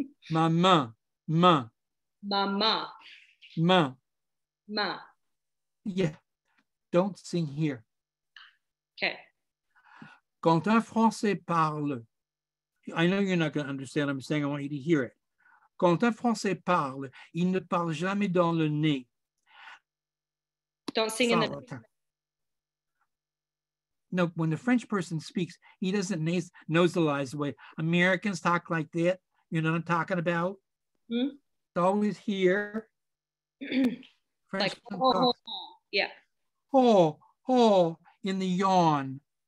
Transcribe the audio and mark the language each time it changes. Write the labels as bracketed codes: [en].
[en] Ma, ma, ma. Ma, ma. Ma. Ma. Yeah. Don't sing here. Okay. [fr] Quand un Français parle, [en] I know you're not going to understand what I'm saying. I want you to hear it. [fr] Quand un Français parle, il ne parle jamais dans le nez. [en] Don't sing in the... No, when the French person speaks, he doesn't nasalize the way Americans talk like that. You know what I'm talking about? Mm-hmm. It's always here. French, like, oh, talks, oh, yeah. Oh, oh, in the yawn.